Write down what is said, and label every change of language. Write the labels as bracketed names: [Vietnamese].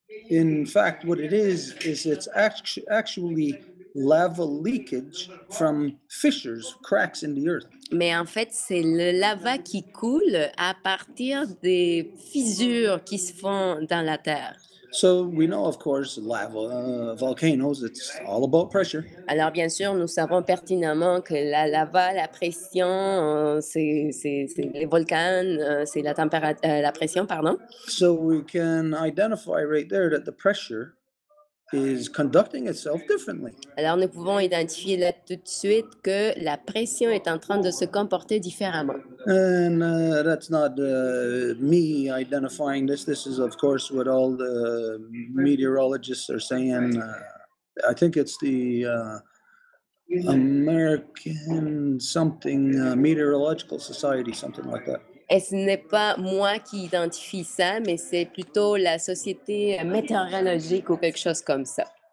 [English] In fact, what it is it's actually lava leakage from fissures, cracks in the earth. [French] Mais en fait, c'est le lava qui coule à partir des fissures qui se font dans la terre. [English] So we know, of course, lava, volcanoes, it's all about pressure. [French] Alors, bien sûr, nous savons pertinemment que la lava, la pression, c'est les volcans, c'est la température, la pression, pardon. [English] So we can identify right there that the pressure is conducting itself differently. [French] Alors, nous pouvons identifier là tout de suite que la pression est en train de se comporter différemment. [English] And that's not me identifying this. This is, of course, what all the meteorologists are saying. I think it's the American something, Meteorological Society, something like that. [French] Et ce n'est pas moi qui identifie ça, mais c'est plutôt la société météorologique ou quelque chose comme ça.